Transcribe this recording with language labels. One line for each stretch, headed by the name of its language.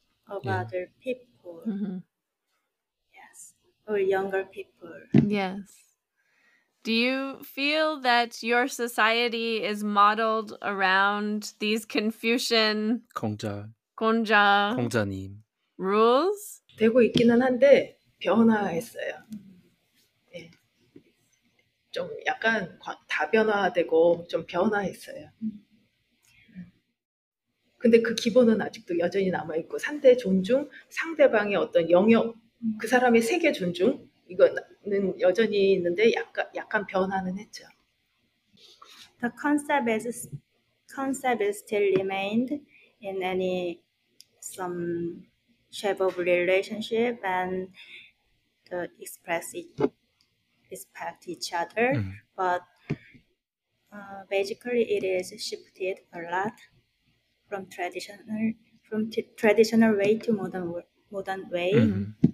English: of other people. Yes. Or younger people. Yes. Do you feel that your society is modeled around these Confucian Gongja님 rules?
Korean: 되고 있기는 한데 변화했어요. 좀 약간 다 변화되고 좀 변화했어요. 근데 그 기본은 아직도 여전히 남아있고 상대 존중, 상대방의 어떤 영역, 그 사람의 세계 존중 이거는 여전히 있는데 약간 변화는 했죠.
English: The concept is still remained in any some shape of relationship and to express it, respect each other, mm-hmm. but basically it is shifted a lot from traditional way to modern way, mm-hmm.